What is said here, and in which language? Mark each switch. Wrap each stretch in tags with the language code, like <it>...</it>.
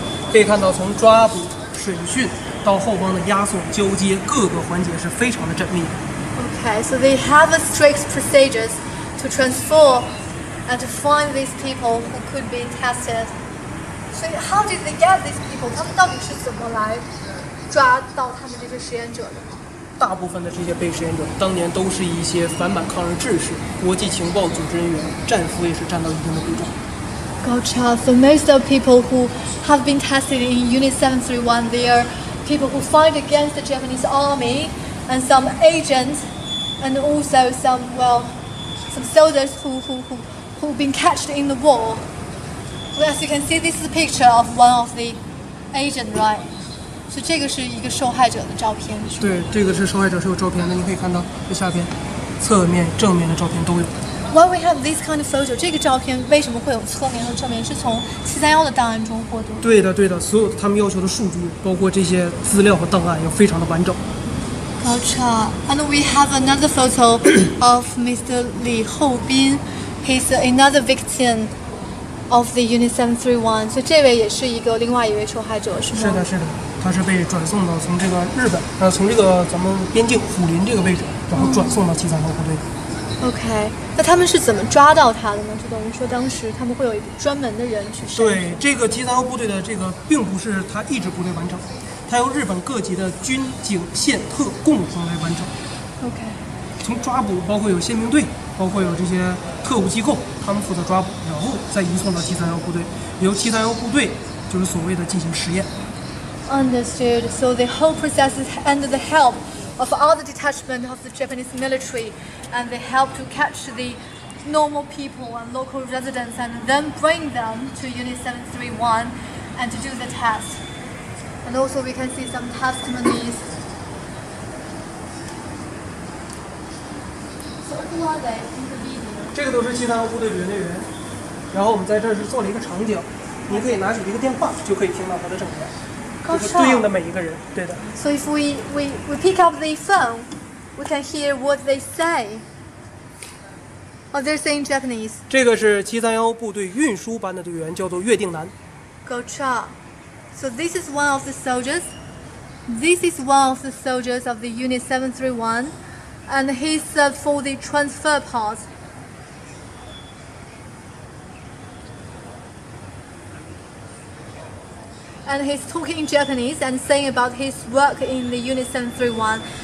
<zh>可以看到，从抓捕、审讯到后方的押送、交接，各个环节是非常的缜密的。</zh> <en>Okay, so they have a strict procedures to transfer and to find these people who could be tested. So how did they get these people?</en> <zh>他们到底是怎么来抓到他们这些实验者的？大部分的这些被实验者当年都是一些反满抗日志士、国际情报组织人员，战俘也是占到一定的比重。</zh> <en>Gotcha. So most of people who have been tested in Unit 731, they are people who fight against the Japanese army and some agents, and also some, well, some soldiers who have been catched in the war. Well, as you can see, this is a picture of one of the agents, right?</en> <zh>所以这个是一个受害者的照片，是吗？对，这个是受害者是有照片的，你可以看到这下边侧面、正面的照片都有。 Why we have this kind of photo? 这个照片为什么会有侧面和正面？是从731的档案中获得。对的，对的，所有他们要求的数据，包括这些资料和档案，要非常的完整。</zh> <en>Gotcha. And we have another photo of Mr. Li Houbin. He's another victim of the Unit 731.</en> <zh>所以这位也是一个另外一位受害者，是吗？是的，是的，他是被转送到从这个日本，从这个咱们边境虎林这个位置，然后转送到731部队。</zh> <en>OK。</en> <zh>那他们是怎么抓到他的呢？就等于说，当时他们会有一专门的人去审。对，这个731部队的这个并不是他一支部队完成，他由日本各级的军警县特共同来完成。</zh> <en>OK。</en> <zh>从抓捕，包括有宪兵队，包括有这些特务机构，他们负责抓捕，然后再移送到731部队，由731部队就是所谓的进行实验。</zh> <en>Understood. So the whole process is under the help of all the detachment of the Japanese military, and they help to catch the normal people and local residents, and then bring them to Unit 731 and to do the test. And also, we can see some testimonies. So who are they in the video?</en> <zh>这个都是其他部队的人员。然后我们在这是做了一个场景，你可以拿起一个电话，就可以听到他的声音。就是对应的每一个人，对的。</zh> <en>So if we pick up the phone, we can hear what they say. Oh, they're saying Japanese.</en> <zh>这个是731部队运输班的队员，叫做岳定南。</zh> <en>Gotcha. So this is one of the soldiers. This is one of the soldiers of the Unit 731, and he's for the transfer part. And he's talking Japanese and saying about his work in the Unit 731.</en>